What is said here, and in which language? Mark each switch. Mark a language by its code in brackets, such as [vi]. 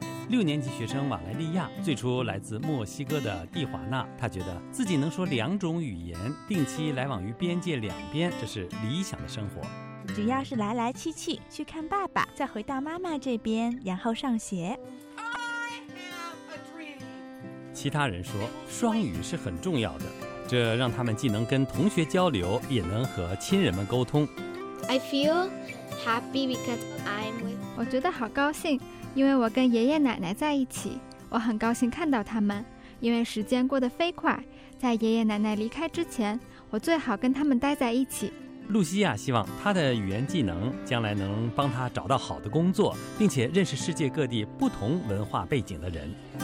[zh] 6年级学生瓦莱利亚最初来自墨西哥的蒂华纳，他觉得自己能说两种语言，定期来往于边界两边，这是理想的生活。只要是来来去去，去看爸爸，再回到妈妈这边，然后上学。其他人说，双语是很重要的，这让他们既能跟同学交流，也能和亲人们沟通。 [en] I feel happy because I'm with. [zh] 我觉得好高兴，因为我跟爷爷奶奶在一起，我很高兴看到他们，因为时间过得飞快，在爷爷奶奶离开之前，我最好跟他们待在一起。露西亚希望她的语言技能将来能帮她找到好的工作，并且认识世界各地不同文化背景的人。